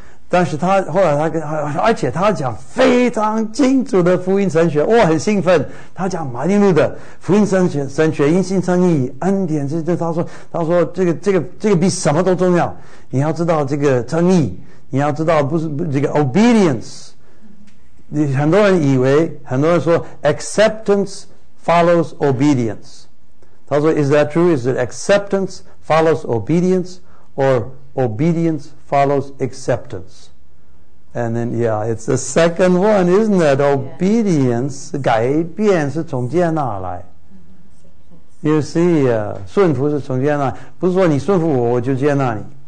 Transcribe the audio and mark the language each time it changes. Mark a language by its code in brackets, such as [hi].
[zh] 但是他后来而且他讲非常精准的福音神学，我很兴奋。他讲马丁路的福音神学，因信称义，恩典之恩。他说这个比什么都重要。你要知道这个称义，你要知道这个 obedience。很多人说 [en] acceptance follows obedience。 [zh] 他说 [en] is that true? Is it acceptance follows obedience or obedience follows acceptance? And then, yeah, it's the second one, isn't it? Obedience, yeah. [zh] 改变是从接纳来。 [en] You see, [zh] 顺服是从接纳，不是说你顺服我就接纳你。